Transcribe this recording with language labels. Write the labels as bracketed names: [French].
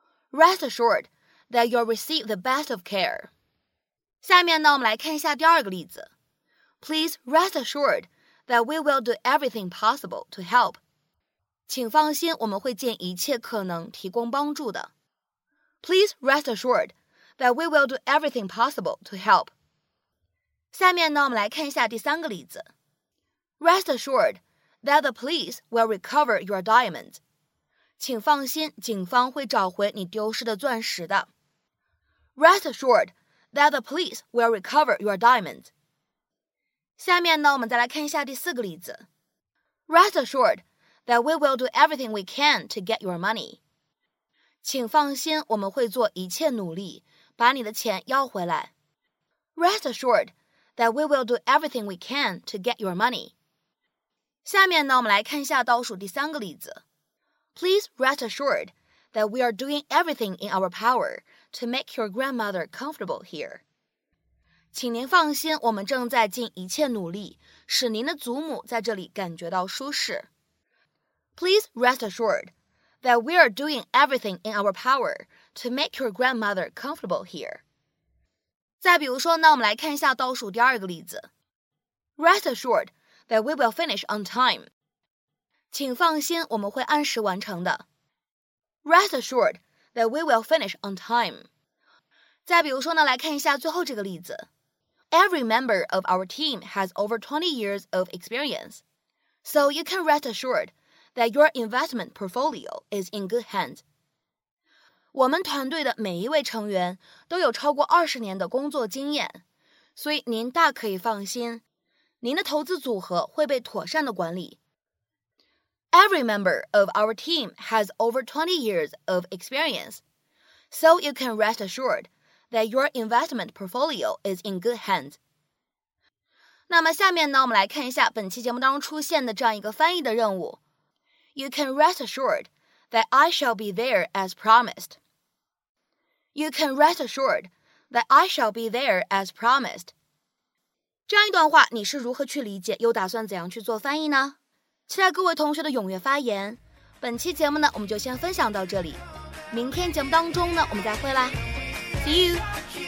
[English] Rest assured that you'll receive the best of care。 [Chinese] 下面呢，我们来看一下第二个例子。 [English] Please rest assured that we will do everything possible to help. [Chinese] 请放心，我们会尽一切可能提供帮助的。 [English] Please rest assured that we will do everything possible to help. [Chinese] 下面呢，我们来看一下第三个例子。 [English] Rest assured that the police will recover your diamonds. [Chinese] 请放心，警方会找回你丢失的钻石的。 [English] Rest assured that the police will recover your diamonds. [Chinese] 下面呢，我们再来看一下第四个例子。 [English] Rest assured that we will do everything we can to get your money. [Chinese] 请放心，我们会做一切努力把你的钱要回来。 [English] Rest assured that we will do everything we can to get your money. [Chinese] 下面呢，我们来看一下倒数第三个例子。 [English] Please rest assured that we are doing everything in our power to make your grandmother comfortable here. [Chinese] 请您放心，我们正在尽一切努力使您的祖母在这里感觉到舒适。 [English] Please rest assured that we are doing everything in our power to make your grandmother comfortable here. [Chinese] 再比如说呢，我们来看一下倒数第二个例子。 [English] Rest assured that we will finish on time. [Chinese] 请放心，我们会按时完成的。 [English] Rest assured that we will finish on time. [Chinese] 再比如说呢，来看一下最后这个例子。 [English] Every member of our team has over 20 years of experience, so you can rest assured that your investment portfolio is in good hands. [Chinese] 我们团队的每一位成员都有超过20年的工作经验，所以您大可以放心，您的投资组合会被妥善的管理。 [English] Every member of our team has over 20 years of experience, so you can rest assuredthat your investment portfolio is in good hands. [Chinese] 那么下面呢，我们来看一下本期节目当中出现的这样一个翻译的任务。 [English] You can rest assured that I shall be there as promised. You can rest assured that I shall be there as promised. [Chinese] 这样一段话你是如何去理解，又打算怎样去做翻译呢？期待各位同学的踊跃发言。本期节目呢，我们就先分享到这里。明天节目当中呢，我们再会啦。 [English] See you.